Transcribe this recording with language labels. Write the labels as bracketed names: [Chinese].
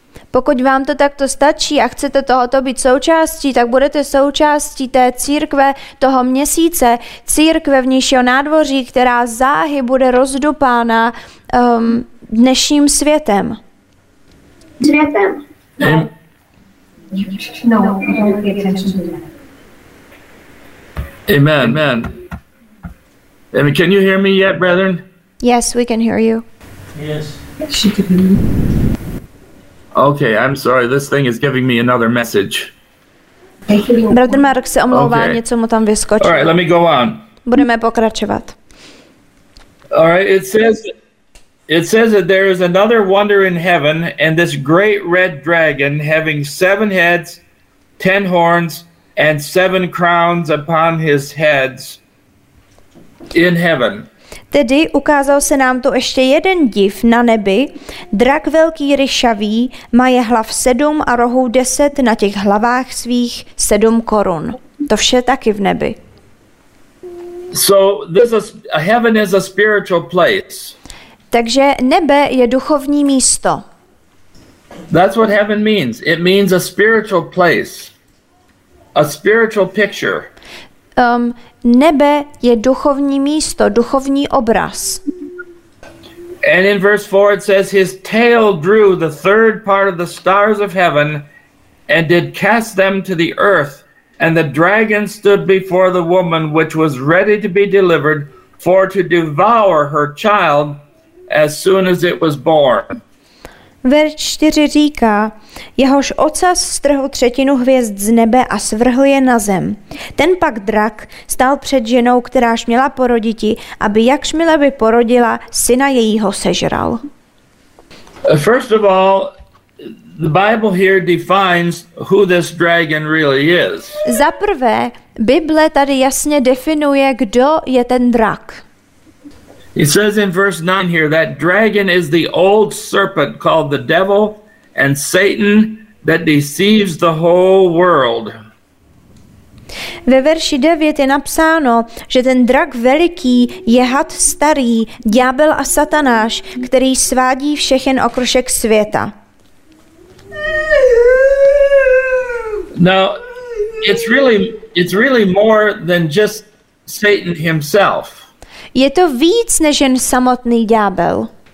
[Czech] Pokud vám to takto stačí a chcete tohoto být součástí, tak budete součástí té církve toho měsíce, církve vnějšího nádvoří, která záhy bude rozdupána dnešním světem. Světem. No. [English] Amen, amen. I mean, can you hear me yet, brethren? Yes, we can hear you. Yes. Okay, I'm sorry. This thing is giving me another message. [Czech] Brother Mark se omlouvá, okay. Něco mu tam vyskočilo. [English] All right, let me go on. [Czech] Budeme pokračovat. [English] All right, it says that there is another wonder in heaven, and this great red dragon having 7 heads, 10 horns, and 7 crowns upon his heads in heaven. [Czech] Tedy ukázal se nám tu ještě jeden div na nebi. Drak velký ryšavý má je hlav 7 a rohů 10 na těch hlavách svých 7 korun. To vše taky v nebi. [English] So this is a heaven is a spiritual place. [Czech] Takže nebe je duchovní místo. [English] That's what heaven means. It means a spiritual place. A spiritual picture. [Czech] Nebe je duchovní místo, duchovní obraz. [English] And in verse 4 it says his tail drew the third part of the stars of heaven and did cast them to the earth, and the dragon stood before the woman which was ready to be delivered for to devour her child as soon as it was born. [Czech] Verš 4 říká, jehož ocas strhl třetinu hvězd z nebe a svrhl je na zem. Ten pak drak stál před ženou, kteráž měla poroditi, aby jakšmile by porodila, syna jejího sežral. [English] First of all, the Bible here defines who this dragon really is. [Czech] Za prvé, Bible tady jasně definuje, kdo je ten drak. [English] It says in verse 9 here that dragon is the old serpent called the devil and Satan that deceives the whole world. [Czech] Ve verši 9 je napsáno, že ten drak veliký je had starý, ďábel a satanáš, který svádí všechen okrušek světa. [English] Now, it's really more than just Satan himself. [Czech] Je to víc než jen samotný ďábel.